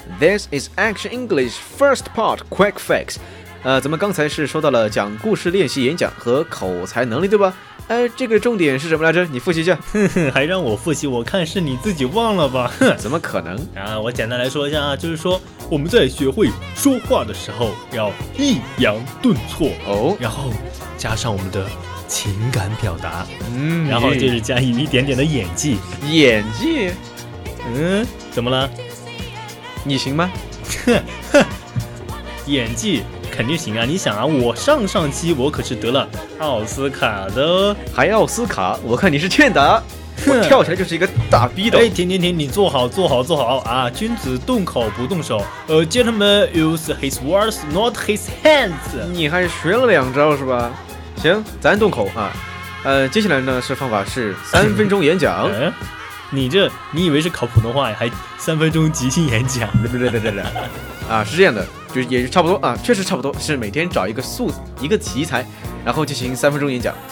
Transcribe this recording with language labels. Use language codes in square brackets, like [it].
[en] This is Action English first part quick fix. [zh] 咱们刚才是说到了讲故事练习演讲和口才能力，对吧？这个重点是什么来着？你复习一下。还让我复习？我看是你自己忘了吧。怎么可能？我简单来说一下啊，就是说我们在学会说话的时候要抑扬顿挫哦，然后加上我们的情感表达，嗯，然后就是加以一点点的演技，演技。怎么了？你行吗？演技肯定行啊！你想啊，我上上期我可是得了奥斯卡的，还奥斯卡？我看你是欠打。我跳起来就是一个大逼斗。哎，停停停，你坐好坐好坐好啊，君子动口不动手。 [en] Gentlemen use his words, not his hands。 [zh] 你还学了两招是吧？行，咱动口啊。接下来呢是方法是三分钟演讲。你以为是考普通话呀，还三分钟即兴演讲。对对对对对对。啊，是这样的，就是也是差不多啊，确实差不多，是每天找一个素子一个题材，然后进行三分钟演讲。